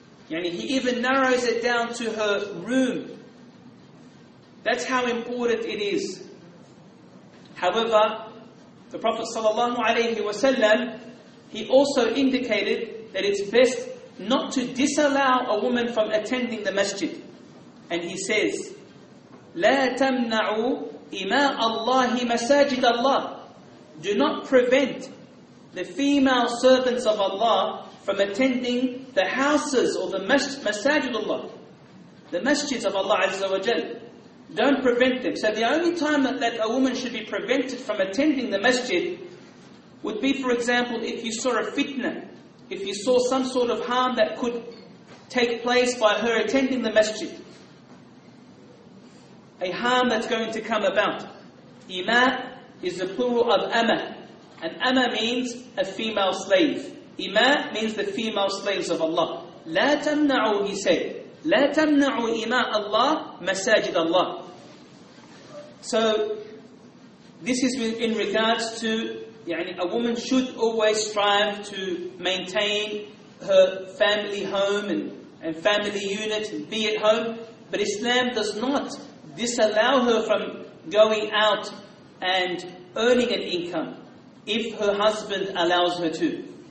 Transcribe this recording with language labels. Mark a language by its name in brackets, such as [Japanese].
[English] Yani he even narrows it down to her room. That's how important it is. However, the Prophet sallallahu alayhi wa sallam, he also indicated that it's best not to disallow a woman from attending the masjid. And he says, [Arabic] لَا تَمْنَعُوا إِمَاءَ اللَّهِ مَسَاجِدَ اللَّهِ. [English] Do not prevent the female servants of Allah from attending the houses or the masajid Allah, the masjids of Allah Azza wa Jal. Don't prevent them. So the only time that a woman should be prevented from attending the masjid would be, for example, if you saw a fitna, if you saw some sort of harm that could take place by her attending the masjid. A harm that's going to come about. Ima is the plural of ama. And ama means a female slave. Ima means the female slaves of Allah. [Arabic] لا تمنعوا, [English] he said. [Arabic] لا تمنعوا إماء الله مساجد الله. [English] So, this is in regards to a woman should always strive to maintain her family home and family unit and be at home. But Islam does not disallow her from going out and earning an income if her husband allows her to.